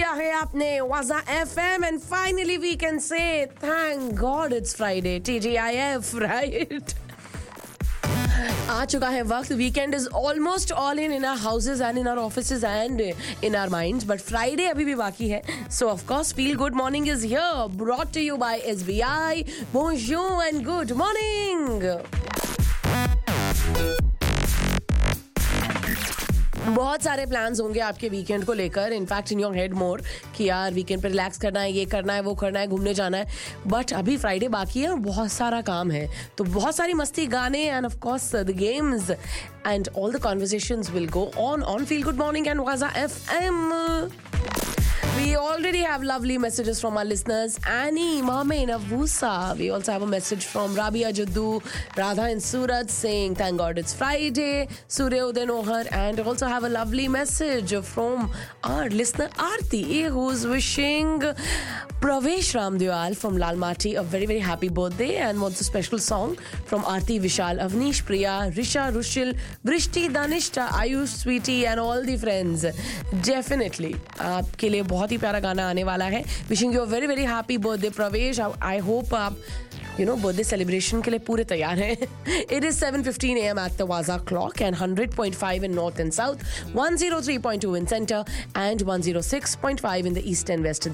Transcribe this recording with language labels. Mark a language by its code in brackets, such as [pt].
[en] FM and finally we can say thank God it's Friday. TGIF, right? [hi] आ चुका है वक्त, [en] weekend is almost all in our houses and in our offices and in our minds, but Friday [hi] अभी भी बाकी है, [en] So of course feel good morning is here, brought to you by SBI. Bonjour and good morning. [hi] बहुत सारे plans होंगे आपके weekend को लेकर, [en] in fact in your head more [hi] कि यार वीकेंड पर रिलैक्स करना है, ये करना है, वो करना है, घूमने जाना है, बट अभी फ्राइडे बाकी है और बहुत सारा काम है, तो बहुत सारी मस्ती, गाने [en] And of course the games and all the conversations will go on feel good morning and Vaaja FM. We already have lovely messages from our listeners. Annie, Mame, Navusa. We also have a message from Rabia Jaddu, Radha in Surat saying, thank God it's Friday. Surya Uden Ohar. And also have a lovely message from our listener Aarti, who's wishing Pravesh Ramdiwal from Lal Mati a very, very happy birthday. And wants a special song from Aarti, Vishal, Avnish, Priya, Risha, Rushil, Vrishti, Danishta, Ayush, Sweetie and all the friends. Definitely. [hi] Aapke liye बहुत ही प्यारा गाना आने वाला है. [en] Wishing you a very very happy birthday Pravesh. I hope [hi] आप you know birthday celebration के लिए पूरे तैयार हैं. [en] It is 7:15 AM at the Vaaja clock and 100.5 in north and south, 103.2 in centre and 106.5 in the east and west.